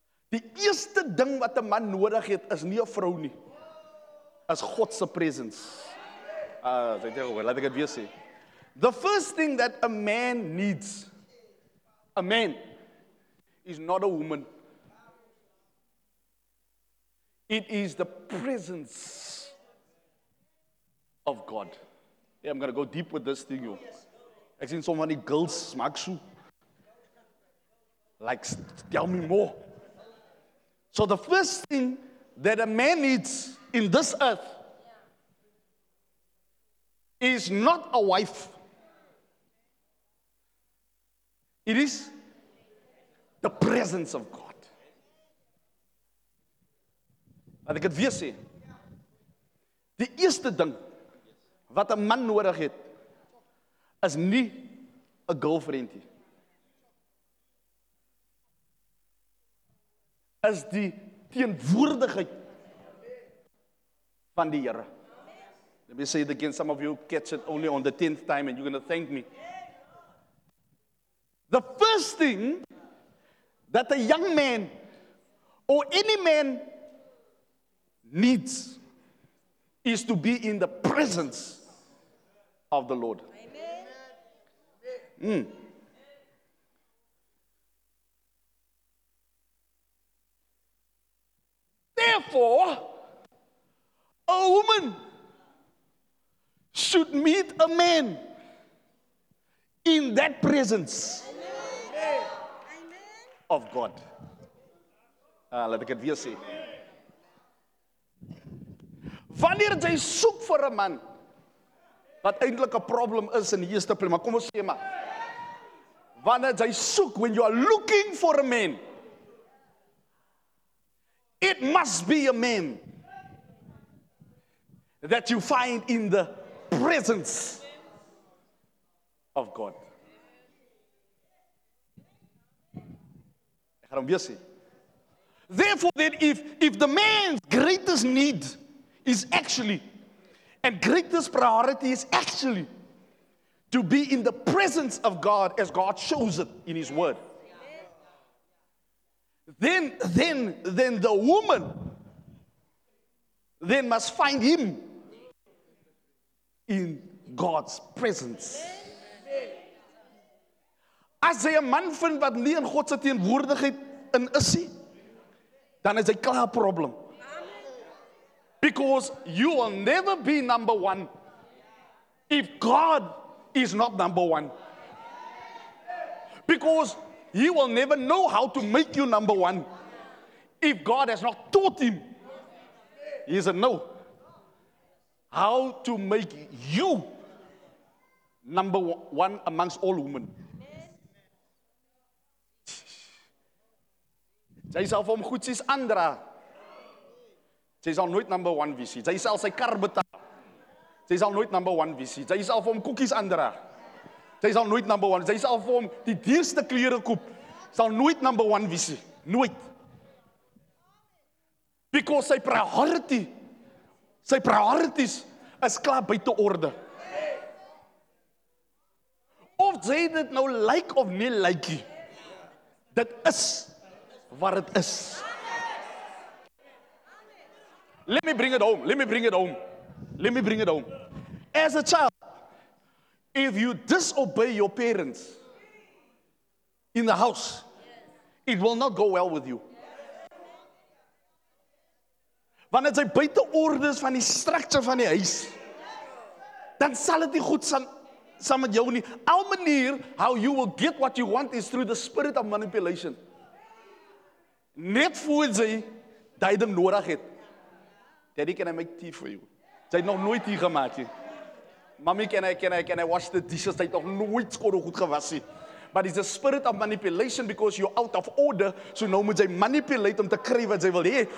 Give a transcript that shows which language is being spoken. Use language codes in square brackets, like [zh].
[af] Die eerste ding wat 'n man nodig het, is nie 'n vrou nie. Is God se presence. Laat ek dit weer sê. [en] The first thing that a man needs, a man, is not a woman. It is the presence of God. Yeah, I'm going to go deep with this thing, yo. [af] Ek sien [en] so many girls, [af] maak so. [en] Like, tell me more. So the first thing that a man needs in this earth is not a wife. It is the presence of God. [af] Laat ek dit weer sê. Die eerste ding wat 'n man nodig het is nie 'n girlfriend nie. Is die teenwoordigheid van die Here. [en] Let me say it again, some of you catch it only on the 10th time and you're going to thank me. The first thing that a young man or any man needs is to be in the presence of the Lord. Amen. Therefore, a woman should meet a man in that presence. [af] Amen. [en] Of God. [af] Let ek dit weer sê. Wanneer jy soek vir 'n man wat eintlik 'n probleem is in die eerste plek, maar kom ons sê maar. Wanneer jy soek, [en] when you are looking for a man, it must be a man that you find in the presence of God. Therefore, then if the man's greatest need is actually, and greatest priority is actually to be in the presence of God as God shows it in his word, then the woman then must find him in God's presence. [af] As hy 'n man vind wat nie in God se teenwoordigheid in is nie, dan is hy klaar 'n probleem. [en] Because you will never be number one if God is not number one. Because he will never know how to make you number one if God has not taught him. He doesn't know how to make you number one amongst all women. [af] Jy sal vir hom goedsies aandra. Jy sal nooit number one wees. Jy sal sy kar betaal. Jy sal nooit number one wees. Jy sal vir hom koekies aandra. Jy sal nooit number one. Jy sal vir hom die duurste klere koop. Sal nooit number one wees. Nooit. Because sy priorities is klaar buite orde. Of jy dit nou like of nie like nie. Dit is wat dit is. [en] Let me bring it home. Let me bring it home. As a child, if you disobey your parents in the house, it will not go well with you. [af] Want as jy buite orde is van die structure van die huis, dan sal dit nie goed saam met jou nie. Al manier [en] how you will get what you want is through the spirit of manipulation. [af] Net voor jy dit nodig het. [en] Daddy, can I make tea for you? [af] Jy het nog nooit tea gemaak nie. [en] Mommy, can I wash the dishes? [af] Jy het nog nooit skoor goed gewas nie. [en] But it's a spirit of manipulation because you're out of order. [af] So now moet jy manipulate om te kry wat jy wil hê.